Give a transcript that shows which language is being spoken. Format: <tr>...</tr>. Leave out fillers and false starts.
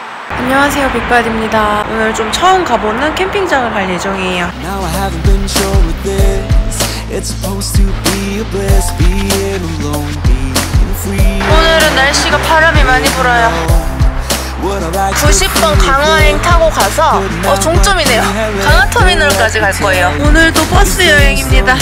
<ko>안녕하세요, 빅바디입니다. 오늘 좀 처음 가보는 캠핑장을 갈 예정이에요.</ko> <en>Now I haven't been sure with this. It's supposed to be a bliss being alone, being free.</en> <ko>오늘은 날씨가 바람이 많이 불어요. 90번 강화행 타고 가서 종점이네요. 강화터미널까지 갈 거예요. 오늘도 버스 여행입니다.</ko>